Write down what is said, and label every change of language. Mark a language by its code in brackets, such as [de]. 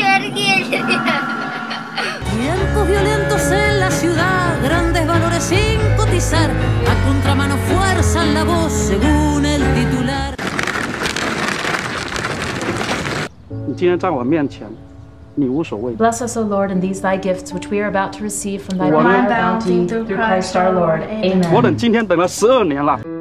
[es] Vientos violentos en la ciudad, grandes valores sin cotizar, a contramano fuerzan la voz según el titular. [zh] 你今天在我面前, 你无所谓。 [en] Bless us, O Lord, in these thy gifts which we are about to receive from thy divine bounty through Christ our Lord. Amen. [zh] 我等今天等了12年了。